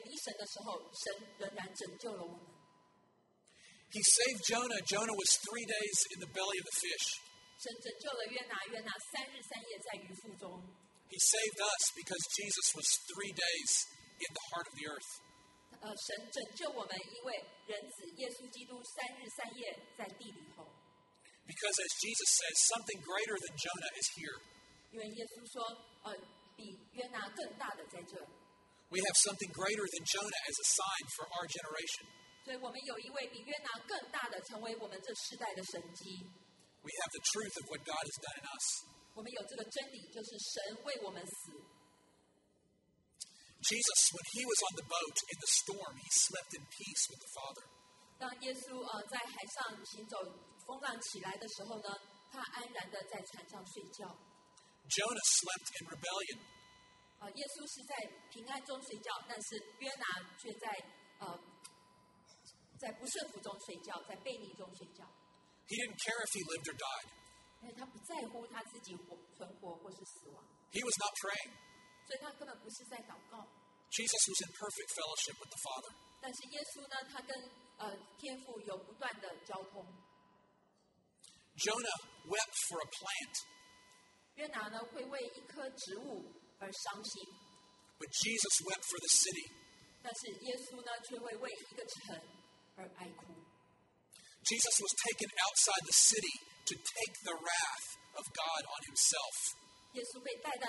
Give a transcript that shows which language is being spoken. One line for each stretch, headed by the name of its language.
Chinese: 因为当我们不顺服、背逆神、远离神的时候，神仍然拯救了我们。
English: He saved Jonah. Jonah was 3 days in the belly of the fish.
Chinese: 神拯救了约拿，约拿三日三夜在鱼腹中。
English: He saved us because Jesus was 3 days in the heart of the earth.
Chinese: 神拯救我们，因为人子耶稣基督三日三夜在地里头。
English: Because as Jesus says, something greater than Jonah is here.
Chinese: 因为耶稣说, 比约拿更大的在这。
English: We have something greater than Jonah as a sign for our generation.
Chinese: 所以我们有一位比约拿更大的成为我们这世代的神迹。
English: We have the truth of what God has done in us.
Chinese: 我们有这个真理, 就是神为我们死。
English: Jesus, when he was on the boat in the storm, he slept in peace with the Father.
Chinese: 当耶稣, 在海上行走, 风浪起来的时候呢,
English: Jonah slept in rebellion.
Chinese: 耶稣是在平安中睡觉，但是约拿却在不顺服中睡觉，在悖逆中睡觉。
English: He didn't care if he lived or died.
Chinese: 因为他不在乎他自己存活或是死亡。
English: He was not praying.
Chinese: 所以他根本不是在祷告。
English: Jesus was in perfect fellowship with the Father.
Chinese: 但是耶稣呢，他跟天父有不断的交通。
English: Jonah wept for a plant.
Chinese: 约拿呢会为一棵植物而伤心。
English: But Jesus wept for the city.
Chinese: 但是耶稣呢却会为一个城而哀哭。
English: Jesus was taken outside the city to take the wrath of God on himself.